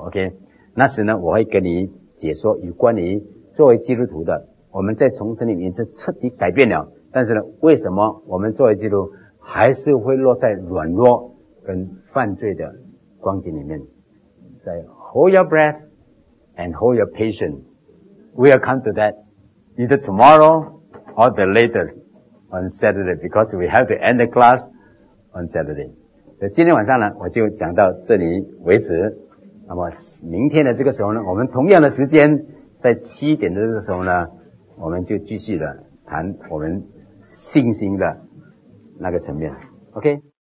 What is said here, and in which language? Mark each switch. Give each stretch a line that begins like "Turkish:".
Chinese: OK, 那时呢我会跟你解说有关于作为基督徒的我们在重生里面是彻底改变了，但是呢为什么我们作为基督徒还是会落在软弱跟犯罪的光景里面。
English: 在Hold your breath and hold your patience. We will come to that either tomorrow or the latest on Saturday because we have to end the class on Saturday.
Chinese: 所以今天晚上呢我就讲到这里为止。那么明天的这个时候呢，我们同样的时间在七点的这个时候呢，我们就继续的谈我们信心的那个层面。 OK?